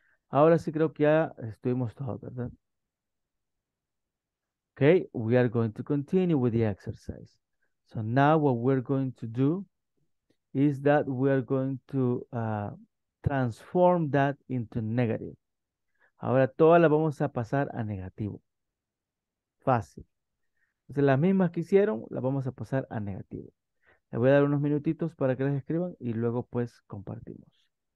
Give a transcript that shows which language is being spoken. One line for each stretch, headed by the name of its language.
Spanish: Ahora sí creo que ya estuvimos todos, ¿verdad?
English: Okay, we are going to continue with the exercise. So now what we're going to do is that we are going to transform that into negative.
Spanish: Ahora todas las vamos a pasar a negativo. Fácil. Entonces las mismas que hicieron, las vamos a pasar a negativo. Les voy a dar unos minutitos para que las escriban y luego pues compartimos.